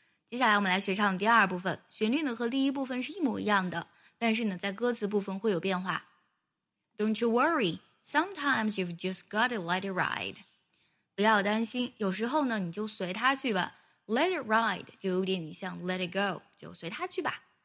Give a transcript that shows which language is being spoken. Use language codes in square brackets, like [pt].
[zh] 接下来我们来学唱第二部分，旋律呢和第一部分是一模一样的，但是呢在歌词部分会有变化。 [en] Don't you worry, sometimes you've just got to let it ride. [zh] 不要担心，有时候呢你就随它去吧。 [en] Let it ride [zh] 就有点像 [en] let it go, [zh] 就随它去吧。